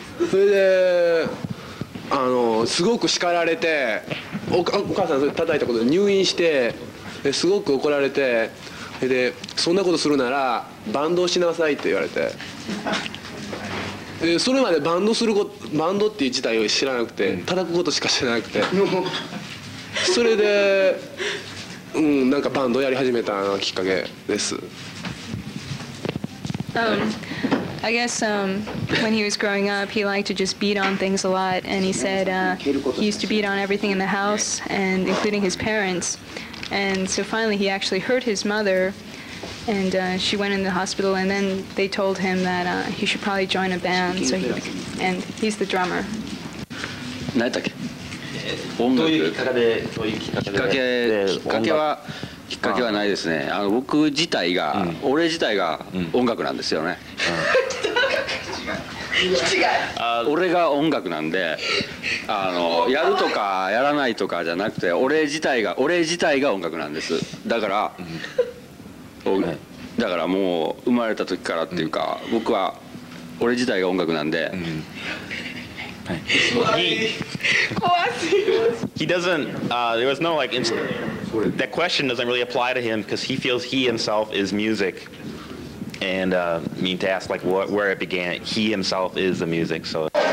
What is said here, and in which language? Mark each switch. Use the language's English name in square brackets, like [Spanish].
[Japanese] それであのすごく叱られて、お母さんそれ叩いたことで入院して、すごく怒られて、それでそんなことするならバンドをしなさいって言われて、それまでバンドすることバンドっていう自体を知らなくて、叩くことしか知らなくて、それで、うん、なんかバンドやり始めたのがきっかけです。 [English] I guess when he was growing up, he liked to just beat on things a lot, and he said he used to beat on everything in the house, and including his parents. And so finally, he actually hurt his mother. And she went in the hospital, and then they told him that he should probably join a band. So he, and he's the drummer. [Japanese] なったっけ？どういうきっかけで？きっかけはないですね。あの僕自体が、うん、俺自体が音楽なんですよね。違う。違う。俺が音楽なんで、あのやるとかやらないとかじゃなくて、俺自体が音楽なんです。だから。だからもう生まれた時からっていうか、僕は俺自体が音楽なんで。 [English] He doesn't. There was no like that question doesn't really apply to him because he feels he himself is music. And mean to ask like where it began. He himself is the music. So.